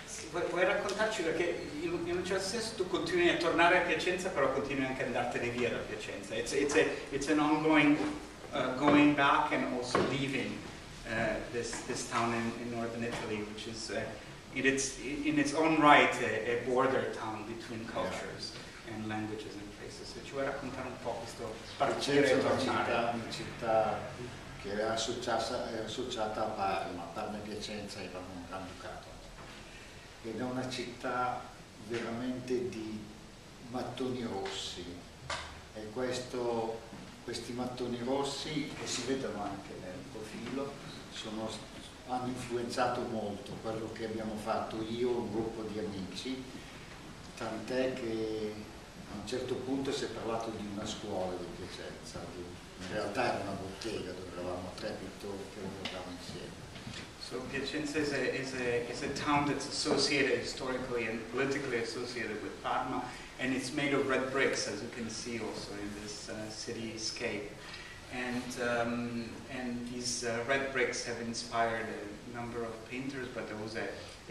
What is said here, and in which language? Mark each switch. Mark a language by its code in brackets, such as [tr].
[it] Vuoi raccontarci, perché in un certo senso tu continui a tornare a Piacenza, però continui anche ad andartene via da Piacenza. [en] It's an ongoing going back and also leaving this town in northern Italy, which is in its own right a border town between cultures and languages and places. [it] So ci vuoi raccontare un po' questo partire e tornare? Una città che è associata a Parma. Parma e Piacenza erano un grande ducato. Ed è una città veramente di mattoni rossi. E questi mattoni rossi, che si vedono anche nel profilo, hanno influenzato molto quello che abbiamo fatto io e un gruppo di amici, tant'è che a un certo punto si è parlato di una scuola di Piacenza, in realtà era una bottega dove eravamo tre pittori che lavoravamo insieme. [en] So Piacenza is a town that's associated historically and politically associated with Parma, and it's made of red bricks, as you can see also in this cityscape. And these red bricks have inspired a number of painters, but there was a